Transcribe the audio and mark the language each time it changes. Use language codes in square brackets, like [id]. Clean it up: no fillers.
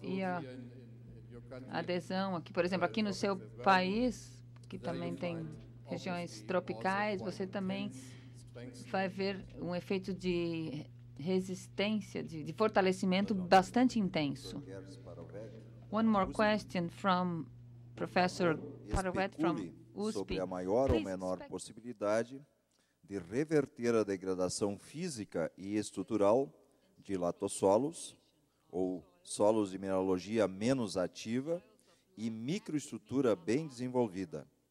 [pt] E a adesão aqui, por exemplo, aqui no seu país, que também tem regiões tropicais, você também vai ver um efeito de resistência, de fortalecimento bastante intenso. [en] One more question from Professor Parovet from USP. [pt] Sobre a maior ou menor possibilidade de reverter a degradação física e estrutural de latossolos ou solos de mineralogia menos ativa e microestrutura bem desenvolvida.